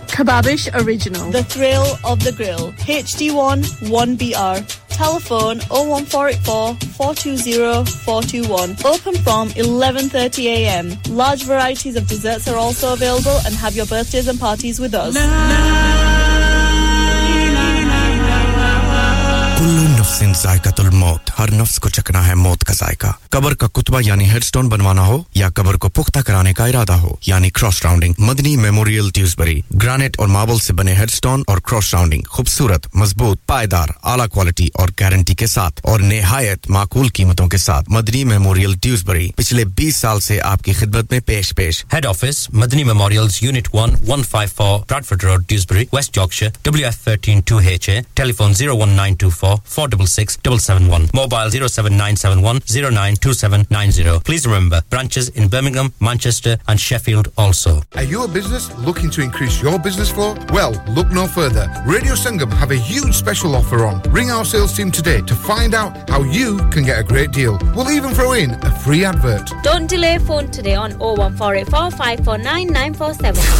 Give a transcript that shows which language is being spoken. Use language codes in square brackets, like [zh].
[en] Kebabish Original, the thrill of the grill. HD1 1BR. Telephone 01484-420-421. Open from 11:30 a.m. Large varieties of desserts are also available, and have your birthdays and parties with us. [ar] سن ذائقہ الموت [ur] ہر نفس کو چکنا ہے موت کا ذائقہ قبر کا کتبہ یعنی ہیڈ سٹون بنوانا ہو یا قبر کو پختہ کرانے کا ارادہ ہو یعنی کراس راؤنڈنگ مدنی میموریل ڈیوزبری گرانائٹ اور مابل سے بنے ہیڈ سٹون اور کراس راؤنڈنگ خوبصورت مضبوط پائیدار اعلی کوالٹی اور گارنٹی کے ساتھ اور نہایت معقول قیمتوں کے ساتھ مدنی میموریل ڈیوزبری پچھلے 20 سال سے آپ کی خدمت میں پیش پیش head office Madani میموریلز unit 1 154 برادفورڈ road Dewsbury waste Yorkshire WF13 2HA tele phone 01924 6771 Mobile 07971092790. [en] Please remember, branches in Birmingham, Manchester and Sheffield also. Are you a business looking to increase your business flow? Well, look no further. Radio Sangam have a huge special offer on. Ring our sales team today to find out how you can get a great deal. We'll even throw in a free advert. Don't delay, phone today on 01484-549-947.